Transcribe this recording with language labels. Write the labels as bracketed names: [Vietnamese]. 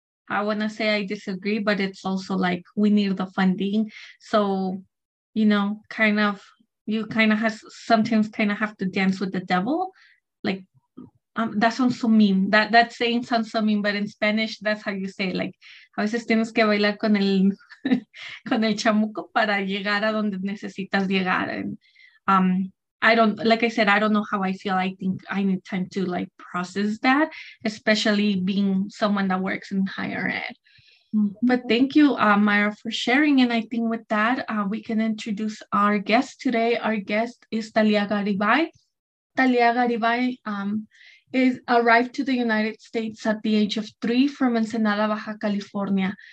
[English] I want to say I disagree, but it's also like we need the funding. So, you know, kind of you kind of has sometimes kind of have to dance with the devil. Like, that sounds so mean. That saying sounds so mean, but in Spanish, that's how you say it. [Spanish] Like, a veces tienes que bailar con el con el chamuco para llegar a donde necesitas llegar. [English] And I don't, like I said, I don't know how I feel. I think I need time to like process that, especially being someone that works in higher ed. But thank you, Myra, for sharing. And I think with that, we can introduce our guest today. Our guest is Talia Garibay. Talia Garibay arrived to the United States at the age of 3 from Ensenada, Baja California.